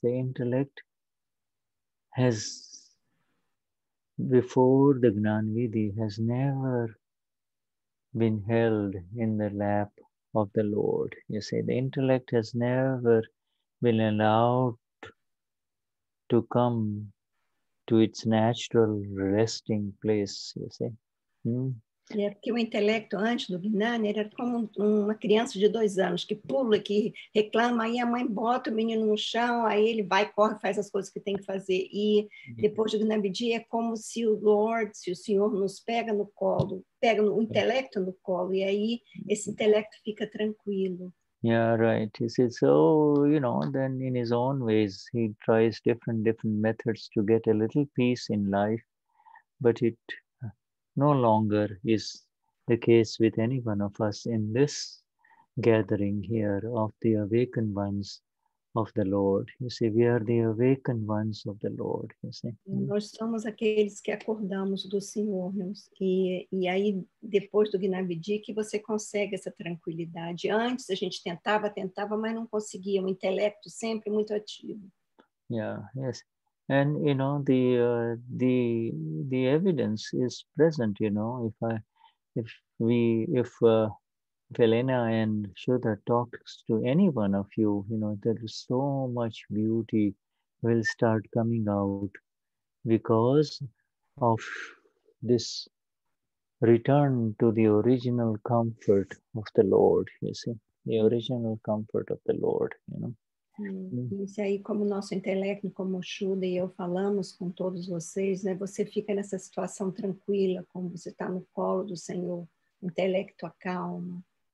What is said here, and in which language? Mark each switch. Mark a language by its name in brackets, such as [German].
[English] The intellect has, before the Gnan Vidhi, has never been held in the lap of the Lord. You see, the intellect has never been allowed to come to its natural resting place, you see. [Portuguese] É porque o intelecto antes do Gnani era como uma criança de dois anos que pula, que reclama, aí a mãe bota o menino no chão, aí ele vai, corre, faz as coisas que tem que fazer. E depois do Gnani Vidhi é como se o Lord, se o Senhor nos pega no colo, pega o intelecto no colo, e aí esse intelecto fica tranquilo. [English] Yeah, right. He said, so, you know, then in his own ways, he tries different methods to get a little peace in life, but it no longer is the case with any one of us in this gathering here of the awakened ones of the Lord. You see, we are the awakened ones of the Lord, you see. [Portuguese] Nós somos aqueles que acordamos do Senhor, e aí depois do Gnani Vidhi que você consegue essa tranquilidade. Antes a gente tentava, mas não conseguia, o intelecto sempre muito ativo. [English] And, you know, the evidence is present, you know, if Helena and Shuddha talks to any one of you, you know, there is so much beauty will start coming out because of this return to the original comfort of the Lord, you see, the original comfort of the Lord, you know. [Portuguese] Isso aí, como nosso intelecto, como o Shuddha e eu falamos com todos vocês, né? Você fica nessa situação tranquila, como você está no colo do Senhor, intelecto acalma.